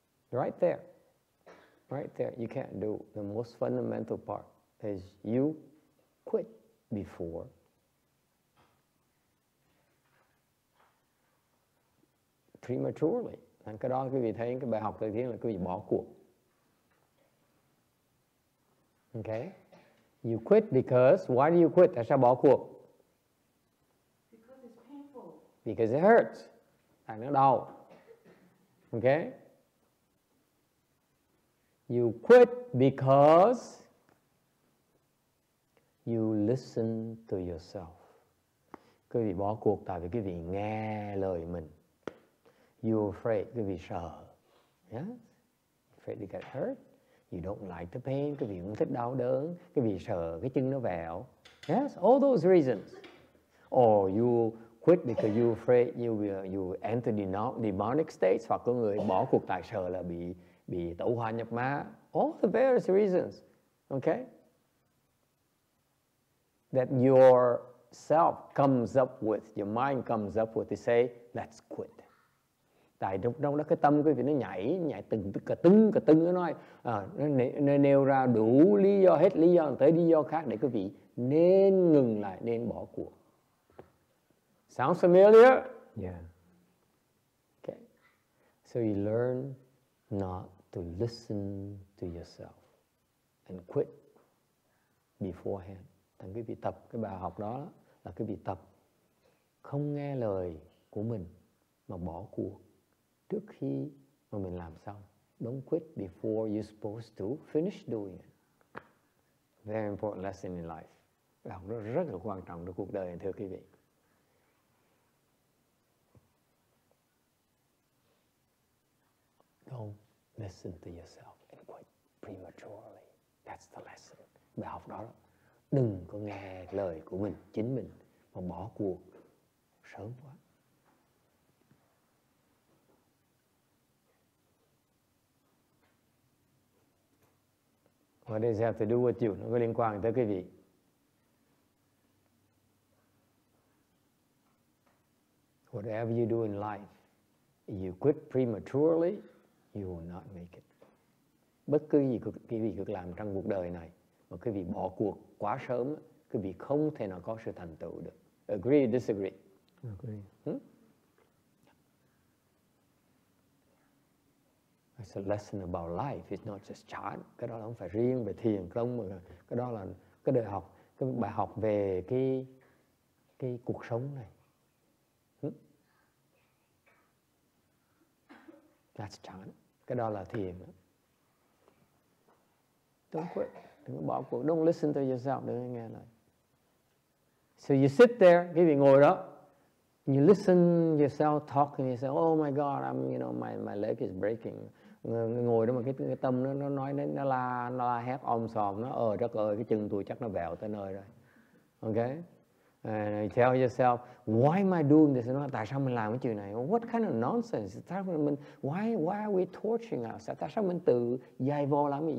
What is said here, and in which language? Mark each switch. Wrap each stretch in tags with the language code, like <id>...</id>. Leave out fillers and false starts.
<en>Right there, you can't do the most fundamental part is you quit before prematurely.</en> <vi>Thành cái đó quý vị thấy cái bài học đầu tiên là quý vị bỏ cuộc.</vi> <en>Okay? You quit because, why do you quit?</en> <vi>Tại sao bỏ cuộc?</vi> <en>Because it's painful. Because it hurts.</en> <vi>Thành nó đau.</vi> <en>Okay? You quit because you listen to yourself.</en> <vi>Quý vị bỏ cuộc tại vì quý vị nghe lời mình.</vi> <en>You're afraid to be sure. Yes? Afraid to get hurt? you don't like the pain,</en> <vi>cái vì không thích đau đớn, cái vì sợ cái chân nó vẹo.</vi> <en>Yes, all those reasons. Or you quit because you're afraid you enter the demonic states,</en> <vi>hoặc có người bỏ cuộc tại sợ là bị tẩu hỏa nhập ma.</vi> <en>All the various reasons, okay? That your self comes up with, your mind comes up with to say, let's quit.</en> <vi>Tại trong đó cái tâm quý vị nó nhảy từng nó nói nó nêu ra đủ lý do, hết lý do tới lý do khác để quý vị nên ngừng lại, nên bỏ cuộc.</vi> <en>Sounds familiar? Yeah. Okay. So you learn not to listen to yourself and quit beforehand.</en> <vi>Thành quý vị tập cái bài học đó là quý vị tập không nghe lời của mình mà bỏ cuộc trước khi mà mình làm xong.</vi> <en>Don't quit before you're supposed to finish doing it. Very important lesson in life.</en> <vi>Bài học đó rất là quan trọng trong cuộc đời, thưa quý vị.</vi> <en>Don't listen to yourself and quit prematurely. That's the lesson.</en> <vi>Bài học đó, đừng có nghe lời của mình, chính mình, mà bỏ cuộc sớm quá.</vi> <en>What does it have to do with you?</en> <vi>Nó có liên quan tới quý vị.</vi> <en>Whatever you do in life, if you quit prematurely, you will not make it.</en> <vi>Bất cứ gì quý vị được làm trong cuộc đời này, mà quý vị bỏ cuộc quá sớm, quý vị không thể nào có sự thành tựu được.</vi> <en>Agree or disagree? Agree. It's a lesson about life. It's not just chant.</en> <vi>Cái đó là không phải riêng về thiền không, mà cái đó là cái đời học, cái bài học về cái cuộc sống này.</vi> <en>That's chant.</en> <vi>Cái đó là thiền.</vi> <en>Don't quit.</en> <vi>Đừng bỏ cuộc.</vi> <en>Don't listen to yourself.</en> <vi>Đừng nghe lời.</vi> <en>So you sit there.</en> <vi>Quý vị ngồi đó.</vi> <en>You listen yourself talking. You say, oh my God, I'm, you know, my leg is breaking.</en> <vi>Ngồi đó mà cái tâm nó nói, nó la hét om sòm, nó trời ơi, cái chân tôi chắc nó vẹo tới nơi rồi.</vi> <en>Okay? And you tell yourself, why am I doing this?</en> <vi>Nó, tại sao mình làm cái chuyện này?</vi> <en>What kind of nonsense? Why are we torturing ourselves?</en> <vi>Tại sao mình tự dày vò làm gì?</vi>